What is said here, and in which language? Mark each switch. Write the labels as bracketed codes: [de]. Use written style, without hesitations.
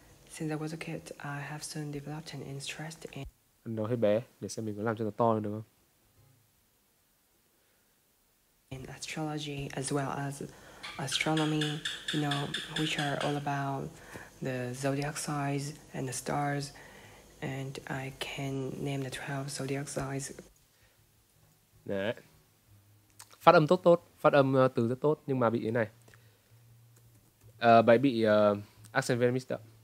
[en] Since I was a kid, I have soon developed an interest in... [vi] Nói hơi bé để xem mình có làm cho nó to được không? [en] In astrology as well as astronomy, you know, which are all about the zodiac signs and the stars, and I can name the 12 zodiac signs. [vi] Đấy. Phát âm tốt tốt, phát âm từ rất tốt, nhưng mà bị thế này. Bài bị accent [en] very mixed up.